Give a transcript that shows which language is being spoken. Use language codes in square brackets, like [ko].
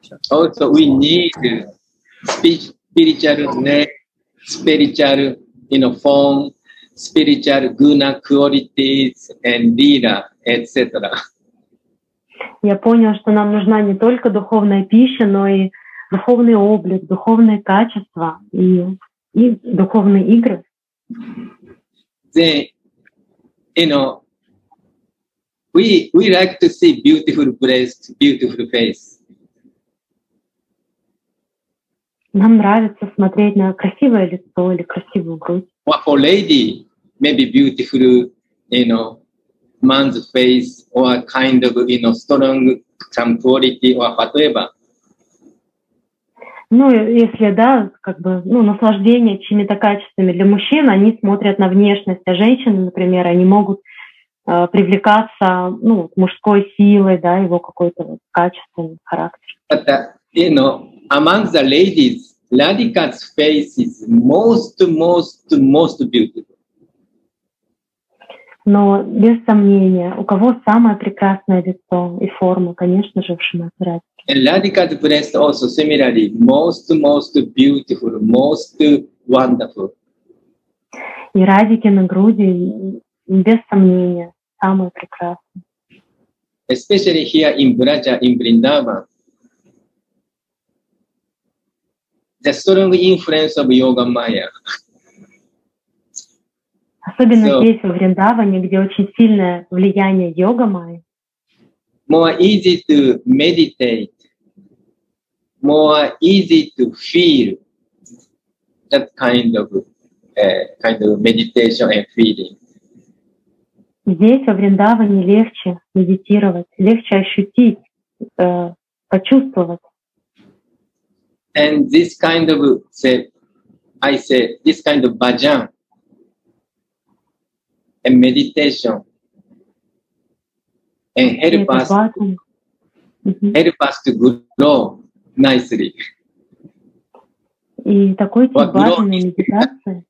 [en] Also, we need spiritual name, spiritual, you know, form, spiritual guna qualities and lila, etc. [ru] Я понял, что нам нужна не только духовная пища, но и духовный облик, духовные качества и духовные игры. [en] Then, you know, we like to see beautiful breast, beautiful face. [ru] Нам нравится смотреть на красивое лицо или красивую грудь. [en] Well, for lady, maybe beautiful, you know, man's face or kind of, you know, strong some quality or whatever. [ru] Ну, если да, как бы, ну, наслаждение чьими-то качествами для мужчин, они смотрят на внешность, а женщины, например, они могут привлекаться, ну, мужской силой, да, его какой-то вот качественный характер. [en] But, you know, among the ladies, Radhika's face is most beautiful. [ru] Но без сомнения, у кого самое прекрасное лицо и форма, конечно же, в Шримати Радхике. [en] And Radhika's breast also similarly most beautiful, most wonderful. [ru] И Радхики на груди, без сомнения, самое прекрасное. [en] Especially here in Braja, in Vrindavan. The strong influence of Yoga Maya. [ru] Особенно so, здесь, во Вриндаване, где очень сильное влияние йога майи. [en] More easy to meditate, more easy to feel that kind of meditation and feeling. [ru] Здесь, во Вриндаване, легче медитировать, легче ощутить, почувствовать. [en] And this kind of, this kind of bhajan, and meditation and help us to grow nicely. [ru] И такой тип бхаджана медитации.